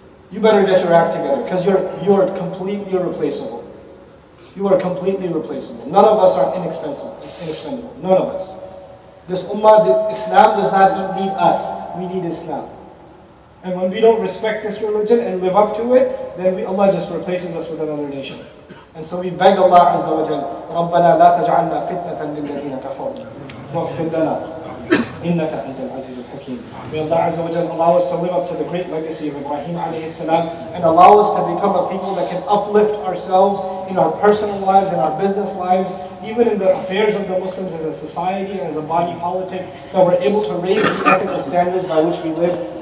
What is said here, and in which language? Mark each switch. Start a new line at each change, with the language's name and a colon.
English: You better get your act together because you're completely irreplaceable. You are completely replaceable. None of us are inexpensive. None of us. This ummah, the Islam does not need us. We need Islam. And when we don't respect this religion and live up to it, then Allah just replaces us with another nation. And so we beg Allah Azza wa Jal,
Arabic: رَبَّنَا لَا تَجْعَلْنَا فِتْنَةً لِلَّذِينَ كَفَرُوا وَاغْفِرْ لَنَا إِنَّكَ أَنْتَ الْعَزِيزُ الْحَكِيمُ.
English: May Allah Azza wa Jal allow us to live up to the great legacy of Ibrahim alayhi salam and allow us to become a people that can uplift ourselves in our personal lives, in our business lives, even in the affairs of the Muslims as a society and as a body politic, that we're able to raise the ethical standards by which we live.